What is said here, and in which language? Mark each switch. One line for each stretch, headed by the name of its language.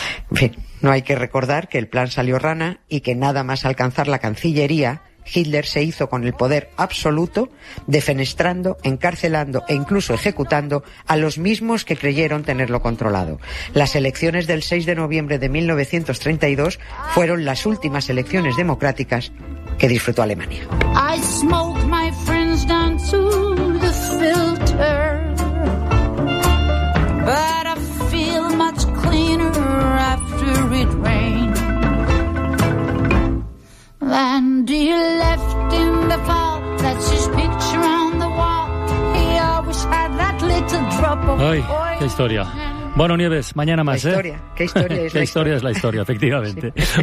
Spanish: En fin, no hay que recordar que el plan salió rana y que nada más alcanzar la cancillería, Hitler se hizo con el poder absoluto, defenestrando, encarcelando e incluso ejecutando a los mismos que creyeron tenerlo controlado. Las elecciones del 6 de noviembre de 1932 fueron las últimas elecciones democráticas que disfrutó Alemania.
English: I smoke my friends down to the filter, but I feel much cleaner after it rained. And he left in the fall. That's his picture on the wall. He always had that little drop of oil.
Spanish: ¡Qué historia! Bueno, Nieves, mañana más, ¿eh? ¿Qué historia es la historia? ¿Qué historia es la historia? Efectivamente. Sí.